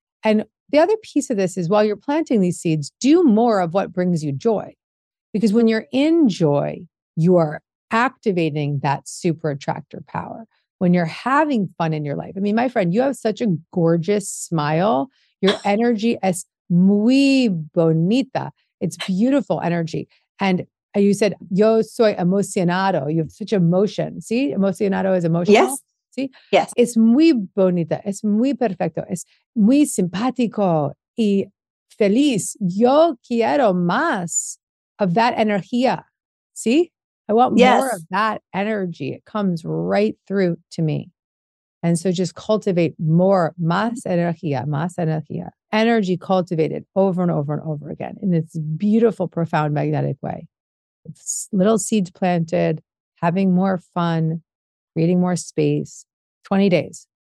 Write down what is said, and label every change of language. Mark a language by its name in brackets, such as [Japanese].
[English] And the other piece of this is, while you're planting these seeds, do more of what brings you joy. Because when you're in joy, you are activating that super attractor power. When you're having fun in your life, I mean, my friend, you have such a gorgeous smile. Your energy is [Spanish] muy bonita. [English] It's beautiful energy. And you said, [Spanish] yo soy emocionado. [English] You have such emotion. See, emocionado is emotional. Yes. See? Yes. [Spanish] Es muy bonita. Es muy perfecto. Es muy simpático y feliz. Yo quiero más [English] of that [Spanish] energía. [English] See? I want more yes. of that energy. It comes right through to me. And so just cultivate more, [Spanish] más energía, [English] energy cultivated over and over and over again in this beautiful, profound, magnetic way. Little seeds planted, having more fun, creating more space. 20 days.